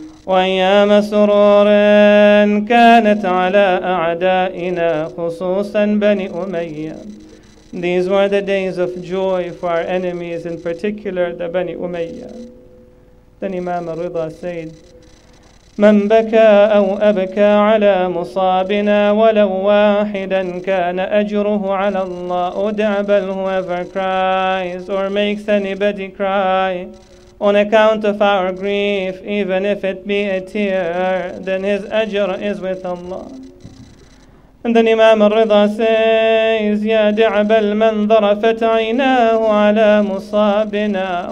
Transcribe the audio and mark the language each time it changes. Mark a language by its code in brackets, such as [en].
[ar] وأيام سرور كانت على أعدائنا خصوصا بني أمية. [en] These were the days of joy for our enemies, in particular the Bani Umayyah. Then Imam Rida said, [ar] من بكى أو أبكى على مصابنا ولو واحدا كان أجره على الله. [en] O Di'bal, whoever cries or makes anybody cry on account of our grief, even if it be a tear, then his ajr is with Allah. And then Imam al-Ridha says, [ar] Ya Di'bal, man dharafat aynahu ala musabina.